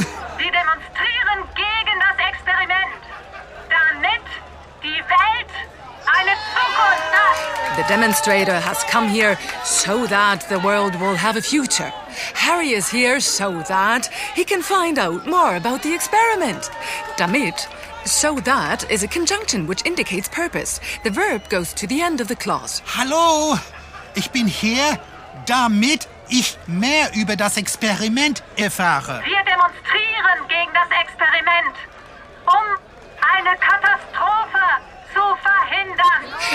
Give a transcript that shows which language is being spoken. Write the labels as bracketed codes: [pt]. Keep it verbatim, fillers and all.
[de] Sie demonstrieren gegen das Experiment, damit die Welt eine Zukunft hat. [en] The demonstrator has come here so that the world will have a future. Harry is here so that he can find out more about the experiment. Damit, so that is a conjunction which indicates purpose. The verb goes to the end of the clause. [de] Hallo, ich bin hier, damit ich mehr über das Experiment erfahre. Wir demonstrieren gegen das Experiment, um eine Katastrophe zu verhindern.